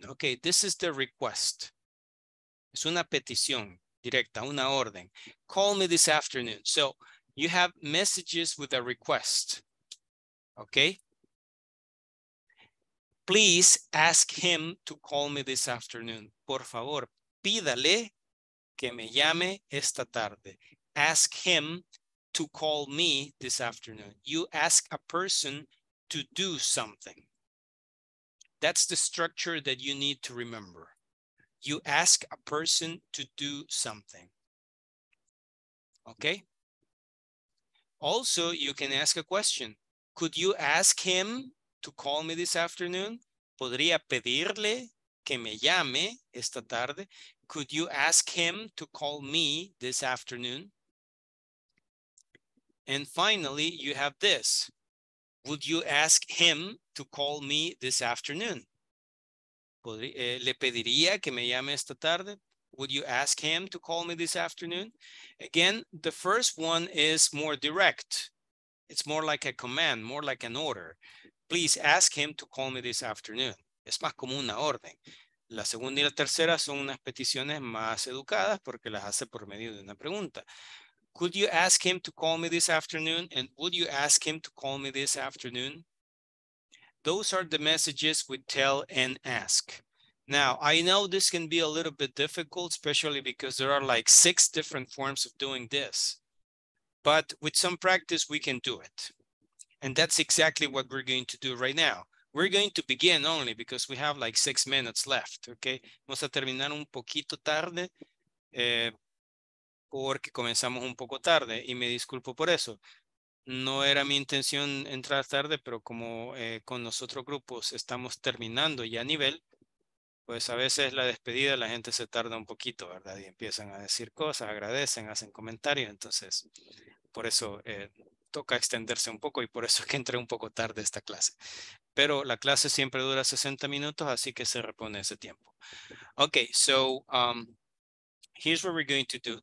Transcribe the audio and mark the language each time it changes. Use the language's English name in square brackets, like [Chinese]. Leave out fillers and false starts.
[English] Okay, this is the request. [Spanish] Es una petición directa, una orden. [English] Call me this afternoon. So you have messages with a request. Okay. Please ask him to call me this afternoon. [Spanish] Por favor, pídale que me llame esta tarde. [English] Ask him to call me this afternoon. You ask a person to do something. That's the structure that you need to remember. You ask a person to do something. Okay? Also, you can ask a question. Could you ask him to call me this afternoon? [Spanish] ¿Podría pedirle que me llame esta tarde? [English] Could you ask him to call me this afternoon? And finally, you have this. Would you ask him to call me this afternoon? [Spanish] ¿Le pediría que me llame esta tarde? [English] Would you ask him to call me this afternoon? Again, the first one is more direct. It's more like a command, more like an order. Please ask him to call me this afternoon. [Spanish] Es más como una orden. La segunda y la tercera son unas peticiones más educadas porque las hace por medio de una pregunta. [English] Could you ask him to call me this afternoon? And would you ask him to call me this afternoon? Those are the messages we tell and ask. Now, I know this can be a little bit difficult, especially because there are like six different forms of doing this. But with some practice, we can do it. And that's exactly what we're going to do right now. We're going to begin only because we have like 6 minutes left, okay? [Spanish] Vamos a terminar un poquito tarde porque comenzamos un poco tarde y me disculpo por eso. No era mi intención entrar tarde, pero como con los otros grupos estamos terminando ya a nivel, pues a veces la despedida la gente se tarda un poquito, ¿verdad? Y empiezan a decir cosas, agradecen, hacen comentarios. Entonces, por eso toca extenderse un poco y por eso es que entré un poco tarde a esta clase. Pero la clase siempre dura 60 minutos, así que se repone ese tiempo. [English] Okay, so here's what we're going to do.